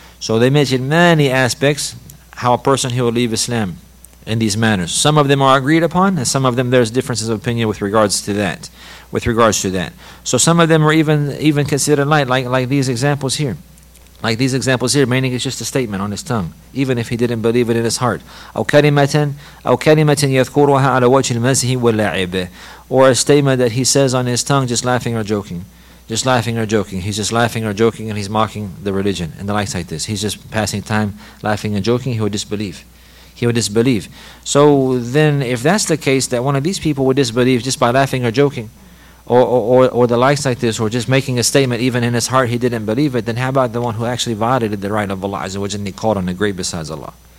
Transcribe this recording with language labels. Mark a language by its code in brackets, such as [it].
[en] So they mention many aspects how a person, he will leave Islam in these manners. Some of them are agreed upon, and some of them there's differences of opinion with regards to that. So some of them are even considered light, like these examples here. Like these examples here, meaning it's just a statement on his tongue, even if he didn't believe it in his heart. [ar] أو كلمة يذكرها على وجه المزح واللعب. [en] Or a statement that he says on his tongue, just laughing or joking. He's just laughing or joking and he's mocking the religion and the likes like this. He's just passing time laughing and joking. He would disbelieve. So then if that's the case, that one of these people would disbelieve just by laughing or joking or the likes like this, or just making a statement even in his heart he didn't believe it, then how about the one who actually violated the right of Allah Azza wa Jalla, and he called on a grave besides Allah?